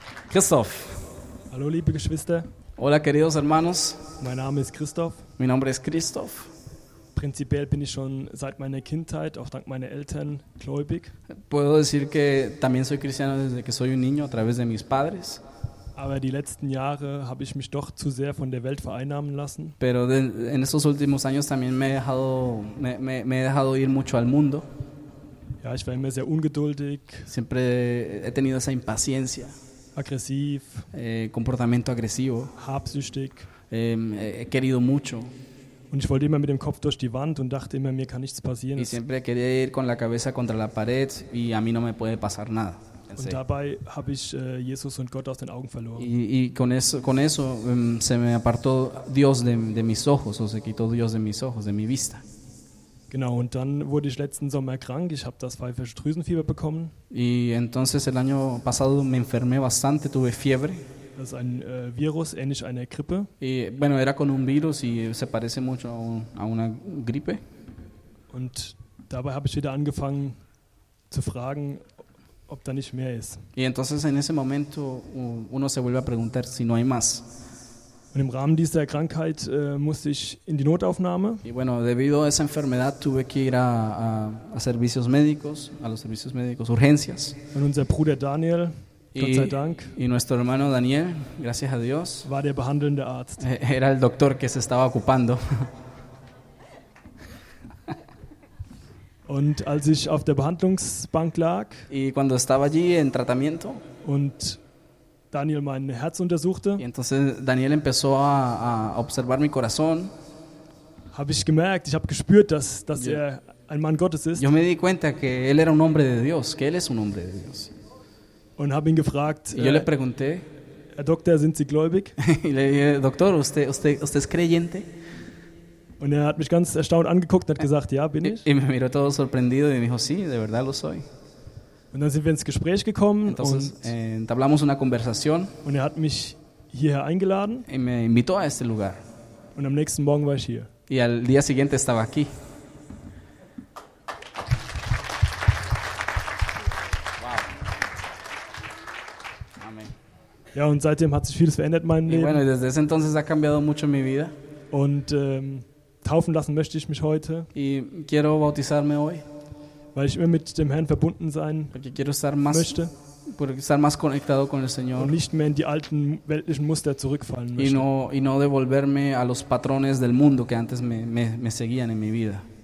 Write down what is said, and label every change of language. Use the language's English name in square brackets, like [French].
[German] Christoph. Hallo liebe Geschwister. [Spanish] Hola queridos hermanos. [German] Mein Name ist Christoph. [Spanish] Mi nombre es Christoph. [German] Prinzipiell bin ich schon seit meiner Kindheit, auch dank meiner Eltern, gläubig. [Spanish] Puedo decir que también soy cristiano desde que soy un niño a través de mis padres. [German] Aber die letzten Jahre habe ich mich doch zu sehr von der Welt vereinnahmen lassen. [Spanish] Pero en estos últimos años también me he dejado ir mucho al mundo. [German] Ja, ich war immer sehr ungeduldig. [Spanish] Siempre he tenido esa impaciencia. [German] Aggressiv. [Spanish] Comportamiento agresivo. [German] Habsüchtig. [Spanish] He querido mucho. [German] Und ich wollte immer mit dem Kopf durch die Wand und dachte immer, mir kann nichts passieren. [Spanish] Y siempre quería ir con la cabeza contra la pared y a mí no me puede pasar nada. [German] Und dabei habe ich Jesus und Gott aus den Augen verloren. [Spanish] Y con eso se me apartó Dios de mis ojos, o se quitó Dios de mis ojos, de mi vista. [German] Genau, und dann wurde ich letzten Sommer krank. Ich habe das pfeifische Drüsenfieber bekommen. [Spanish] Y entonces el año pasado me enfermé bastante, tuve fiebre. [German] Das ist ein Virus, ähnlich einer Grippe. [Spanish] Y bueno, era con un virus y se parece mucho a una gripe. [German] Und dabei habe ich wieder angefangen zu fragen, ob da nicht mehr ist. [Spanish] Y entonces en ese momento uno se vuelve a preguntar si no hay más. [German] Und im Rahmen dieser Krankheit musste ich in die Notaufnahme. [Spanish] Y bueno, debido a esa enfermedad tuve que ir a los servicios médicos, urgencias. [German] Und unser Bruder Daniel, Gott sei Dank, [Spanish] y nuestro hermano Daniel, gracias a Dios, [German] war der behandelnde Arzt. [Spanish] Era el doctor que se estaba ocupando. [German] Und als ich auf der Behandlungsbank lag, [Spanish] y cuando estaba allí en tratamiento, [German] und Daniel mein Herz untersuchte, [Spanish] y entonces Daniel empezó a observar mi corazón, [German] habe ich gemerkt, ich habe gespürt, dass er ein Mann Gottes ist. [Spanish] Yo me di cuenta que él era un hombre de Dios, que él es un hombre de Dios. [German] Und habe ihn gefragt, [Spanish] y yo le pregunté, [German] Herr Doktor, sind Sie gläubig? [Spanish] Y le dije, doctor, usted es creyente? [German] Und er hat mich ganz erstaunt angeguckt und hat gesagt, ja, bin ich. [Spanish] Y me miró todo sorprendido y me dijo, sí, de verdad lo soy. [German] Und dann sind wir ins Gespräch gekommen. [Spanish] Entonces, [German] und [Spanish] entablamos una conversación. [German] Und er hat mich hierher eingeladen. [Spanish] Y me invitó a este lugar. [German] Und am nächsten Morgen war ich hier. [Spanish] Y al día siguiente estaba aquí. [German] Ja, und seitdem hat sich vieles verändert in meinem Leben. [Spanish] Bueno, desde ese entonces ha cambiado mucho mi vida. [German] Und taufen lassen möchte ich mich heute. [Spanish] Y quiero bautizarme hoy. [German] Weil ich immer mit dem Herrn verbunden sein möchte. [Spanish] Porque estar más conectado con el Señor. [German] Und nicht mehr in die alten weltlichen Muster zurückfallen möchte. [Spanish] Y no devolverme a los patrones del mundo que antes me seguían en mi vida.